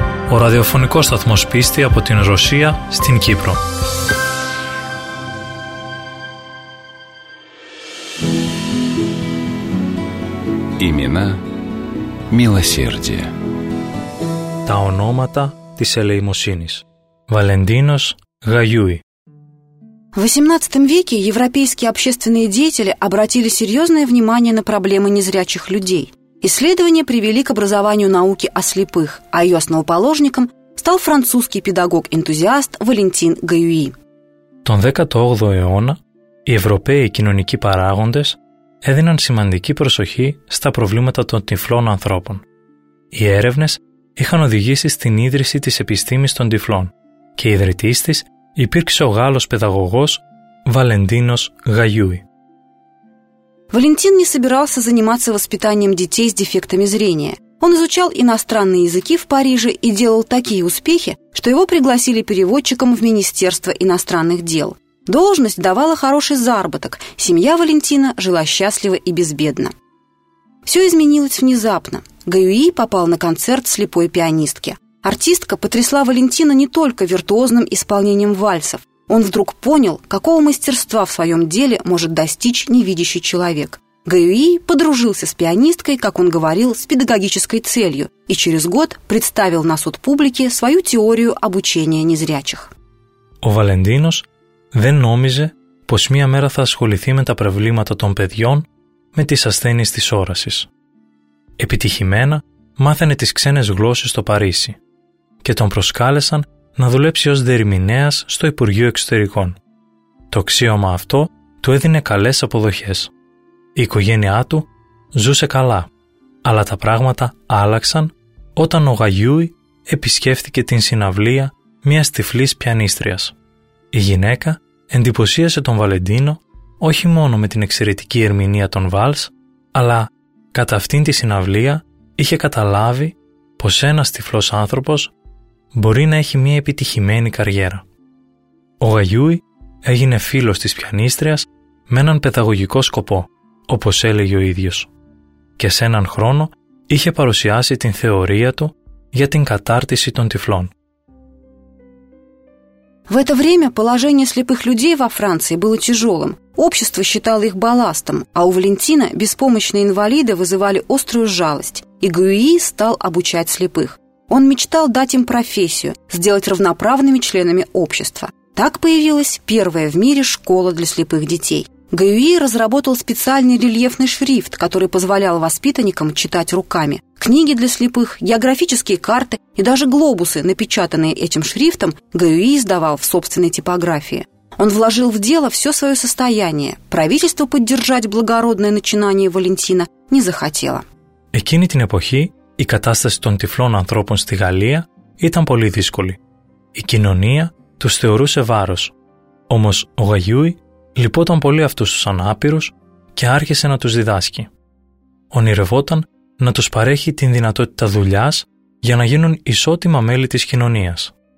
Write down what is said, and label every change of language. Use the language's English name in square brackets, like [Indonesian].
[Greek] Ο ραδιοφωνικός σταθμός πίστη από την Ρωσία στην Κύπρο. [Russian] Имена милосердия. [Greek] Τα ονόματα της ελεημοσύνης. Βαλεντίνος Γαγιούι. [Russian] В XVIII веке европейские общественные деятели обратили серьезное внимание на проблемы незрячих людей. Исследования привели к образованию науки о слепых, а ее основоположником стал французский педагог-энтузиаст Валентин Гаюи. Τον 18ο αιώνα οι Ευρωπαίοι κοινωνικοί παράγοντες έδιναν σημαντική προσοχή στα προβλήματα των τυφλών ανθρώπων. Οι έρευνες είχαν οδηγήσει στην ίδρυση της επιστήμης των τυφλών και ιδρυτής της υπήρξε ο Γάλλος παιδαγωγός Βαλεντίνος Γαγιούι. Валентин не собирался заниматься воспитанием детей с дефектами зрения. Он изучал иностранные языки в Париже и делал такие успехи, что его пригласили переводчиком в Министерство иностранных дел. Должность давала хороший заработок, семья Валентина жила счастливо и безбедно. Все изменилось внезапно. Гаюи попал на концерт слепой пианистки. Артистка потрясла Валентина не только виртуозным исполнением вальсов. Он вдруг понял, какого мастерства в своем деле может достичь невидящий человек. Гаюи подружился с пианисткой, как он говорил, с педагогической целью, и через год представил на суд публике свою теорию обучения незрячих. [Greek] О Валентинос δεν νόμιζε πως μία μέρα θα ασχοληθεί με τα προβλήματα των παιδιών με τις ασθένειες της όρασης. Επιτυχημένα, μάθαινε τις ξένες γλώσσες στο Παρίσι και τον προσκάλεσαν να δουλέψει ως δερμηνέας στο Υπουργείο Εξωτερικών. Το αξίωμα αυτό του έδινε καλές αποδοχές. Η οικογένειά του ζούσε καλά, αλλά τα πράγματα άλλαξαν όταν ο Γαγιούι επισκέφθηκε την συναυλία μιας τυφλής πιανίστριας. Η γυναίκα εντυπωσίασε τον Βαλεντίνο όχι μόνο με την εξαιρετική ερμηνεία των βάλς, αλλά κατά αυτήν τη συναυλία είχε καταλάβει πως ένας τυφλός άνθρωπος μπορεί να έχει μια επιτυχημένη καριέρα. Ο Γαγιούι έγινε φίλος της πιανίστριας με έναν παιδαγωγικό σκοπό, όπως έλεγε ο ίδιος. Και σε έναν χρόνο είχε παρουσιάσει την θεωρία του για την κατάρτιση των τυφλών. [Russian] В это время положение слепых людей во Франции было тяжелым. Общество считало их балластом, а у Валентина беспомощные инвалиды вызывали острую жалость, и Гюи стал обучать слепых. Он мечтал дать им профессию, сделать равноправными членами общества. Так появилась первая в мире школа для слепых детей. Гюи разработал специальный рельефный шрифт, который позволял воспитанникам читать руками. Книги для слепых, географические карты и даже глобусы, напечатанные этим шрифтом, Гюи издавал в собственной типографии. Он вложил в дело все свое состояние. Правительство поддержать благородное начинание Валентина не захотело. [Greek] Εκείνη την εποχή η κατάσταση των τυφλών ανθρώπων στη Γαλλία ήταν πολύ δύσκολη. Η κοινωνία τους θεωρούσε βάρος. Όμως ο Γαγιούι λυπόταν πολύ αυτούς τους ανάπηρους και άρχισε να τους διδάσκει. Ονειρευόταν να τους παρέχει την δυνατότητα δουλειάς για να γίνουν ισότιμα μέλη της κοινωνίας.